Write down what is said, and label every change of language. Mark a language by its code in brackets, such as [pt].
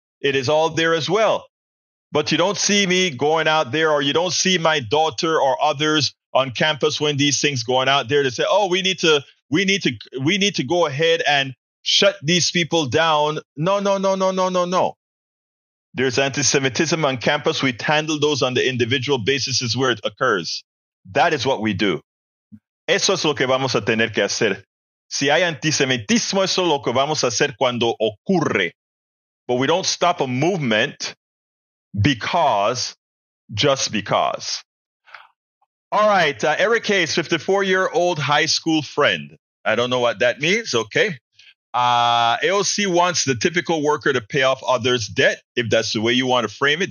[en] It is all there as well. But you don't see me going out there, or you don't see my daughter or others on campus when these things going out there to say, "Oh, we need to go ahead and shut these people down." No, no, no, no, no, no, no. There's anti-Semitism on campus. We handle those on the individual basis is where it occurs. That is what we do. [es] Eso es lo que vamos a tener que hacer. Si hay antisemitismo, eso es lo que vamos a hacer cuando ocurre. [en] But we don't stop a movement because, just because. All right, Eric Hayes, 54-year-old high school friend. I don't know what that means, okay. AOC wants the typical worker to pay off others' debt, if that's the way you want to frame it.